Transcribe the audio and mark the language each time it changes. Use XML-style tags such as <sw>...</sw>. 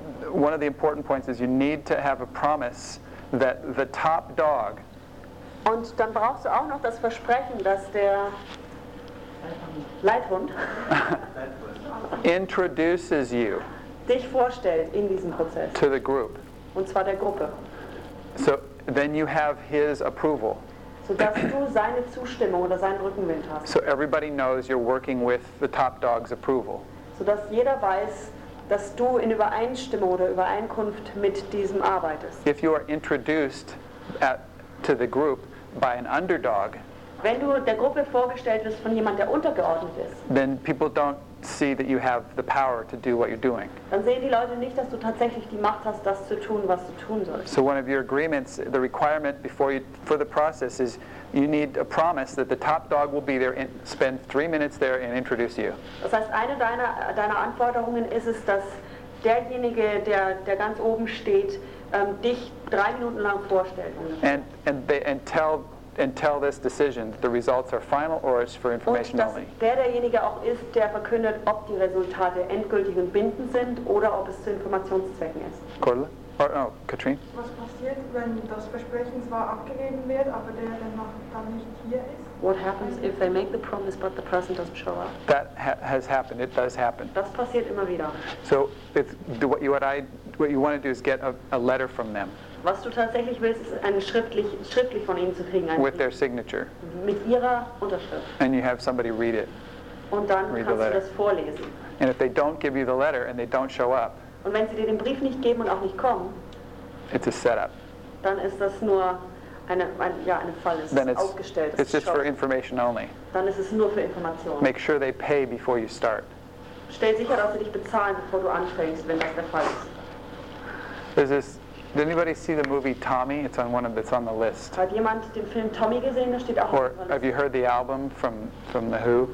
<en>One of the important points is you need to have a promise that the top dog.</en> <de>Und dann brauchst du auch noch das Versprechen, dass der Leithund</de> <en>introduces you.</en> <de>Dich vorstellt in diesem Prozess.</de> <en>To the group.</en> <de>Und zwar der Gruppe.</de> <en>So then you have his approval.</en> <de>So dass du seine Zustimmung oder seinen Rückenwind hast.</de> <en>So everybody knows you're working with the top dog's approval.</en> <de>So dass jeder weiß, dass du in Übereinstimmung oder Übereinkunft mit diesem arbeitest.</de> <en>If you are introduced to the group by an underdog,</en> <de>wenn du der Gruppe vorgestellt wirst von jemand, der untergeordnet ist,</de> <en>then people don't see that you have the power to do what you're doing.</en> <de>Dann sehen die Leute nicht, dass du tatsächlich die Macht hast, das zu tun, was du tun sollst.</de> <en>So one of your agreements, the requirement before you, for the process is you need a promise that the top dog will be there and spend 3 minutes there and introduce you.</en> <de>Das heißt, eine deiner Anforderungen ist es, dass derjenige, der ganz oben steht, dich 3 Minuten lang vorstellt.</de> <en>And tell this decision that the results are final or it's for information only.</en> <de>Und dass derjenige auch ist, der verkündet, ob die Resultate endgültig und bindend sind oder ob es zu Informationszwecken ist. Cordula? Oh, Katrin? Was passiert, wenn das Versprechen zwar abgegeben wird, aber der dann nicht hier ist?</de> <en>What happens if they make the promise but the person doesn't show up? That has happened. It does happen.</en> <de>Das passiert immer wieder.</de> <en>So what you want to do is get a letter from them.</en> <de>Was du tatsächlich willst, ist einen schriftlich von ihnen zu kriegen.</de> <en>With their signature.</en> <de>Mit ihrer Unterschrift.</de> <en>And you have somebody read it.</en> <de>Und dann</de> <en>read</en> <de>kannst du das vorlesen.</de> <en>And if they don't give you the letter and they don't show up.</en> <de>Und wenn sie dir den Brief nicht geben und auch nicht kommen.</de> <en>It's a setup.</en> <de>Dann ist das nur eine Falle,</de> <en>then</en> <de>ist aufgestellt,</de> <en>it's just for information only.</en> <de>Dann ist es nur für Information.</de> <en>Make sure they pay before you start.</en> <de>Stell sicher, dass sie dich bezahlen, bevor du anfängst, wenn das der Fall ist.</de> <en>Did anybody see the movie Tommy? It's on one of it's on the list.</en> <de>Hat jemand den Film Tommy gesehen? Da steht auch.</de> <en>Or have you heard the album from The Who?</en>